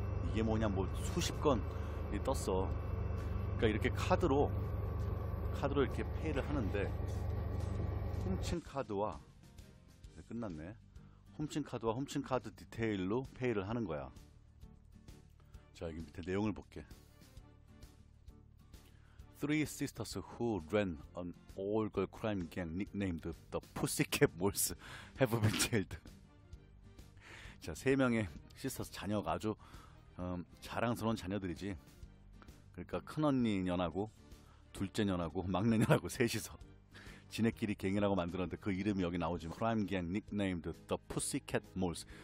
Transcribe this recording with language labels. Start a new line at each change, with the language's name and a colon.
Korean: 이게 뭐냐 뭐 수십 건이 떴어. 그러니까 이렇게 카드로 이렇게 페이를 하는데 훔친 카드와 끝났네. 훔친 카드 디테일로 페이를 하는 거야. 자 여기 밑에 내용을 볼게.
English: Three sisters who ran an all-girl crime gang nicknamed the Pussycat Moles have been jailed.
Korean: 자, 세 명의 시스터스 자녀가 아주 자랑스러운 자녀들이지. 그러니까 큰언니 년하고 둘째 년하고 막내 년하고 셋이서 지네끼리 갱이라고 만들었는데 그 이름이 여기 나오지.
English: Crime gang nicknamed the Pussycat Moles.